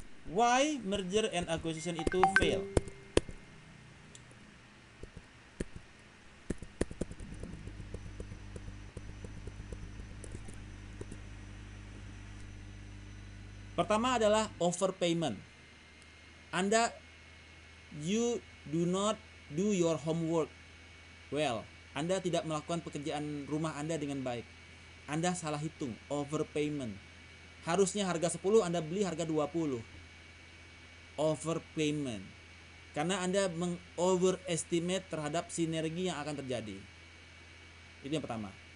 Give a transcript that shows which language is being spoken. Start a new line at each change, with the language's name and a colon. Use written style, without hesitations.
English: Why merger and acquisition
Indonesian: itu
English: fail?
Indonesian: Pertama adalah overpayment. Anda,
English: you do not do your homework well.
Indonesian: Anda tidak melakukan pekerjaan rumah Anda dengan baik. Anda salah hitung, overpayment. Harusnya harga 10, Anda beli harga 20. Overpayment. Karena Anda mengoverestimate terhadap sinergi yang akan terjadi. Itu yang pertama.